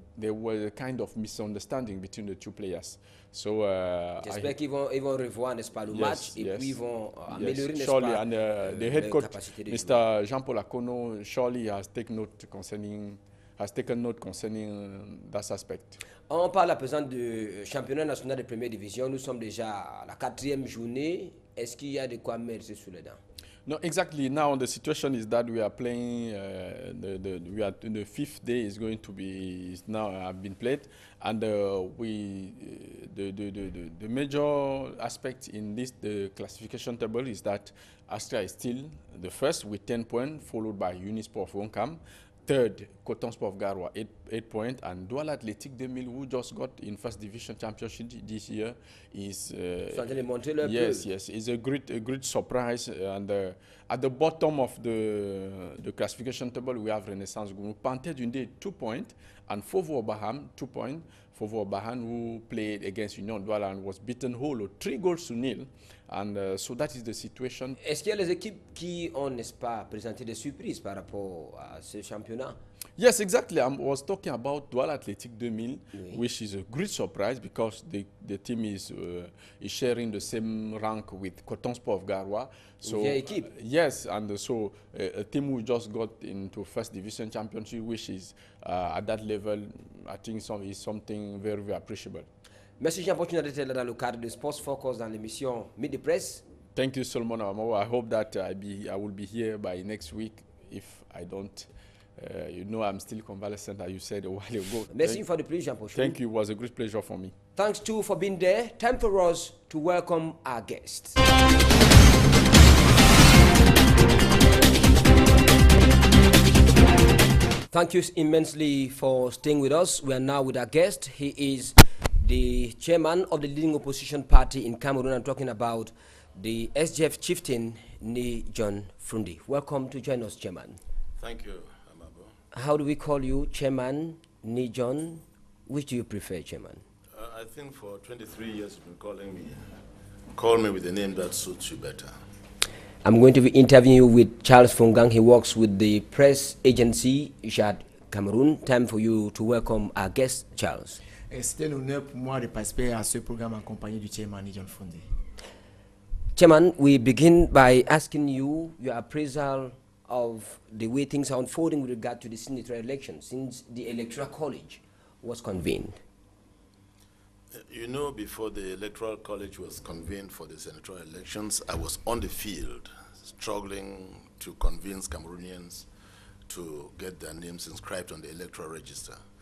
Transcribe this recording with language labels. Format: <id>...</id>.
<en>There was a kind of misunderstanding between the two players. So</en> <fr>j'espère qu'ils vont revoir, n'est-ce pas, le match, et puis ils vont améliorer, n'est-ce</fr> <en>surely.</en> <fr>Pas,</fr> <en>and, the head coach, Mr. Jean-Paul Akono, surely has taken note concerning that aspect.</en> <fr>On parle à présent du championnat national de première division. Nous sommes déjà à la quatrième journée. Est-ce qu'il y a de quoi mettre sous les dents?</fr> <en>No, exactly. Now the situation is that we are playing the fifth day is going to be is now have been played, and the major aspect in this the classification table is that Astra is still the first with 10 points, followed by Unisport Wankam. Third, Coton Sport of Garoua, 8 points. And Dual Athletic 2000, who just got in first division championship this year, is. Yes, it's a great surprise. And at the bottom of the classification table, we have Renaissance Gumu. Panthé Dundé, 2 points. And Fovo Bahan, 2 points. Fovo Bahan, who played against Union Douala and was beaten hollow, 3-0. And so that is the situation.</en> <fr>Est-ce qu'il y a les équipes qui ont, n'est-ce pas, présenté des surprises par rapport à ce championnat?</fr> <en>Yes, exactly. I was talking about Dual Athletic 2000, oui, which is a great surprise because the team is sharing the same rank with Coton Sport of Garoua. So,</en> <fr>une équipe.</fr> <en>Yes, and so a team who just got into first division championship, which is at that level, I think is something very, very appreciable.</en> <fr>Merci Jean-Fortuné d'être là dans le cadre de Sports Focus dans l'émission Midi Press.</fr> <en>Thank you Solomon Amoa. I hope that I will be here by next week if I don't. You know I'm still convalescent as you said a while ago.</en> <fr>Merci une fois de plus Jean-Fortuné.</fr> <en>Thank you, it was a great pleasure for me. Thanks too for being there. Time for us to welcome our guest. Thank you immensely for staying with us. We are now with our guest. He is the chairman of the leading opposition party in Cameroon. I'm talking about the SGF chieftain, Ni John Frundi. Welcome to join us, chairman. Thank you, Amabo. How do we call you, chairman, Ni John? Which do you prefer, chairman? I think for 23 years you've been calling me. Call me with a name that suits you better. I'm going to be interviewing you with Charles Fungang. He works with the press agency, Jad Cameroon. Time for you to welcome our guest, Charles.</en> <fr>C'est un honneur pour moi de participer à ce programme en compagnie du chairman Ni John Frundi.</fr> <en>Chairman, we begin by asking you your appraisal of the way things are unfolding with regard to the senatorial election since the Electoral College was convened. You know, before the Electoral College was convened for the senatorial elections, I was on the field struggling to convince Cameroonians to get their names inscribed on the electoral register.</en>